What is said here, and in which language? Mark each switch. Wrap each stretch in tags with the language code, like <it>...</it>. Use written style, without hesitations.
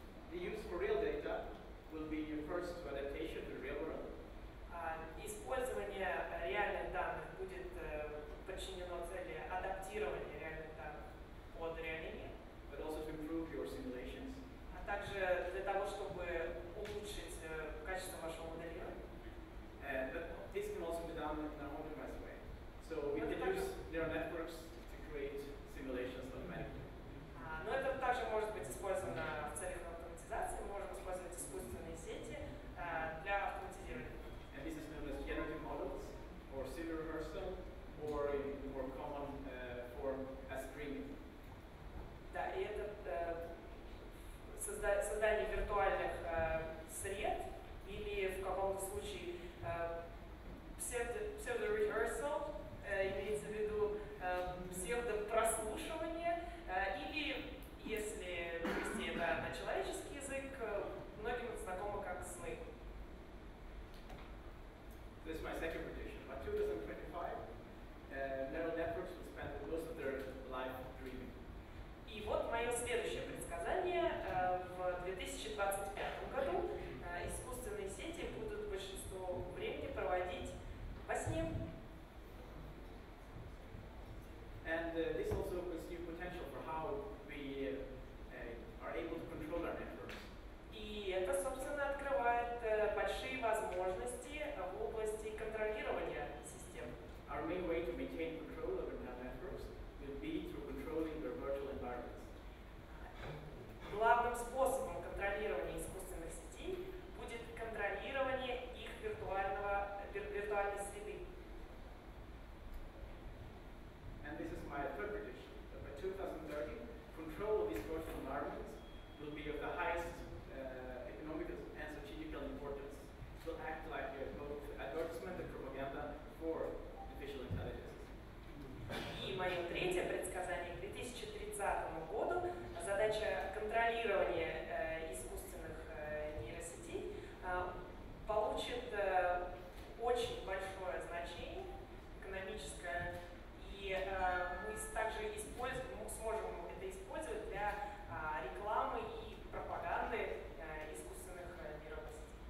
<en>The use for real data will be your first adaptation to the real world.</en> <ru>Использование реальных данных будет подчинено цели адаптирования реальных данных под реальный мир.</ru> <en>But also to improve your simulations.</en> <ru>А также для того, чтобы улучшить качество вашего моделирования.</ru> <en>But this can also be done in an optimized way. So we can use neural networks to create simulations automatically.</en> <ru>Но это также может быть использовано в целях автоматизации. Мы можем использовать искусственные сети для автоматизирования.</ru> <en>And this is known as generative models, or scene rehearsal, or in more common form as streaming.</en> <ru>Да, и это создание виртуальных сред, или в каком-то случае псевдо rehearsal, имеется в виду псевдо прослушивание, или если перевести это на человеческий язык, многим это знакомо как сны.</ru> <en>This is my second prediction. By 2025, neural networks will spend most of their life dreaming.</en> <ru>И вот мое следующее предсказание. В 2025 году искусственные сети будут большинство времени проводить во сне.</ru> <en>And this also opens new potential for how we are able to control our networks.</en> <ru>И это, собственно, открывает большие возможности в области контролирования систем.</ru> <en>Our main way to maintain control over neural networks will be through controlling their virtual environments.</en> <ru>Главным способом контролирования искусственных сетей будет контролирование их виртуальной среды.</ru> <en>And this is my third prediction, that by 2030, control of these virtual environments will be of the highest economic and strategic importance. It will act like both advertisement and propaganda for artificial intelligence.</en> <ru>И мое третье предсказание к 2030 году. Задача контролирования искусственных нейросетей получит очень большое значение экономическое. И мы также сможем это использовать для рекламы и пропаганды искусственных нейросетей.</ru>